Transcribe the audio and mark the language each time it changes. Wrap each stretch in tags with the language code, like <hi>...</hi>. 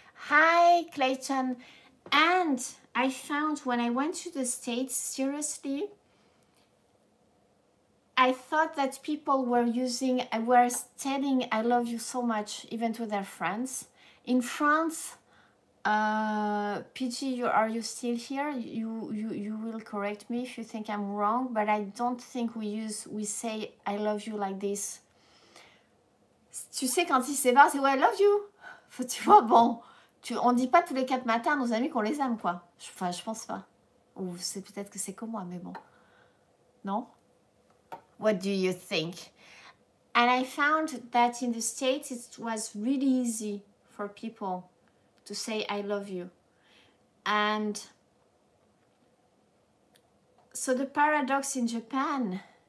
<en>Hi, Clayton. And I found when I went to the States, seriously, I thought that people were telling I love you so much, even to their friends. In France, PG, are you still here? You will correct me if you think I'm wrong, but I don't think we say I love you like this.</en> <fr>Tu sais, quand il s'évare, c'est ouais,</fr> <en>I love you.</en> <fr>Tu vois, bon. On dit pas tous les quatre matins à nos amis qu'on les aime, quoi. Enfin, je pense pas. Ou c'est peut-être que c'est comme moi, mais bon.</fr> <en>Non? What do you think? And I found that in the States, it was really easy for people to say, I love you. And so the paradox in Japan...</en>